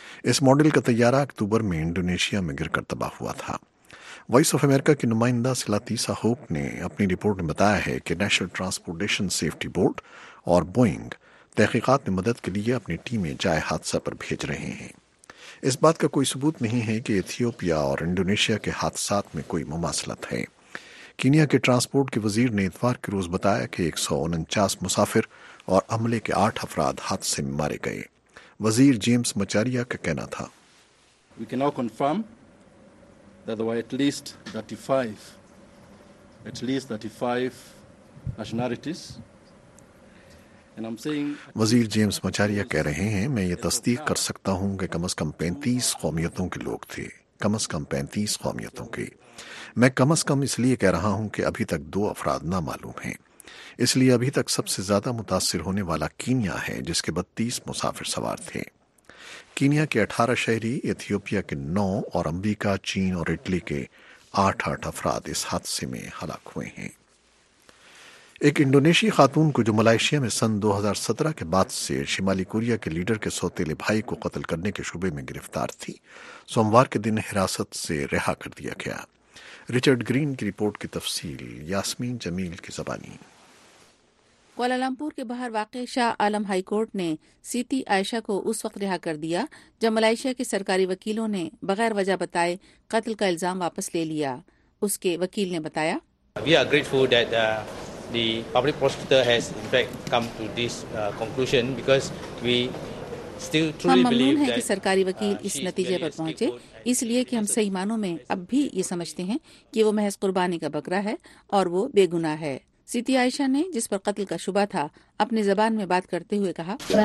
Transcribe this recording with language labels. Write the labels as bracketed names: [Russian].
[Urdu] اس model کا طیارہ اکتوبر میں انڈونیشیا میں گر کر تباہ ہوا تھا۔ وائس آف امریکہ کی نمائندہ سلاتیسا ہوپ نے اپنی رپورٹ میں بتایا ہے کہ نیشنل ٹرانسپورٹیشن سیفٹی بورڈ اور بوئنگ تحقیقات میں مدد کے لیے اپنی ٹیمیں جائے حادثہ پر بھیج رہے ہیں۔ اس بات کا کوئی ثبوت نہیں ہے کہ ایتھیوپیا اور انڈونیشیا کے حادثات میں کوئی مماثلت ہے۔ کینیا کے ٹرانسپورٹ کے وزیر نے اتوار کے روز بتایا کہ 149 مسافر اور عملے کے 8 افراد حادثے میں مارے گئے۔ وزیر جیمز مچاریا کا کہنا تھا، [English] We can now confirm that there were at least 35 nationalities. [Urdu] وزیر جیمز مچاریا کہہ رہے ہیں، میں یہ تصدیق کر سکتا ہوں کہ کم از کم 35 قومیتوں کے لوگ تھے، کم از کم 35 قومیتوں کے۔ میں کم از کم اس لیے کہہ رہا ہوں کہ ابھی تک 2 افراد نامعلوم ہیں، اس لیے ابھی تک سب سے زیادہ متاثر ہونے والا کینیا ہے، جس کے 32 مسافر سوار تھے۔ کینیا کے 18 شہری، ایتھیوپیا کے 9 اور امریکہ، چین اور اٹلی کے 8-8 افراد اس حادثے میں ہلاک ہوئے ہیں۔ ایک انڈونیشی خاتون کو جو ملائیشیا میں سن 2017 کے بعد سے شمالی کوریا کے لیڈر کے سوتیلے بھائی کو قتل کرنے کے شبے میں گرفتار تھی، سوموار کے دن حراست سے رہا کر دیا گیا۔ رچرڈ گرین کی رپورٹ کی تفصیل یاسمین جمیل کی زبانی۔ کوالالمپور کے باہر واقع شاہ عالم ہائی کورٹ نے سیتی عائشہ کو اس وقت رہا کر دیا جب ملائیشیا کے سرکاری وکیلوں نے بغیر وجہ بتائے قتل کا الزام واپس لے لیا۔ اس کے وکیل نے بتایا، [English] The public prosecutor has in fact come to this conclusion because we still truly believe that [Urdu] ہم ممنون ہیں کہ سرکاری وکیل اس نتیجے پر پہنچے، اس لیے کہ ہم صحیح معنوں میں اب بھی یہ سمجھتے ہیں کہ وہ محض قربانی کا بکرا ہے اور وہ بے گناہ ہے۔ سیتی عائشہ نے جس پر قتل کا شبہ تھا اپنی زبان میں بات کرتے ہوئے کہا،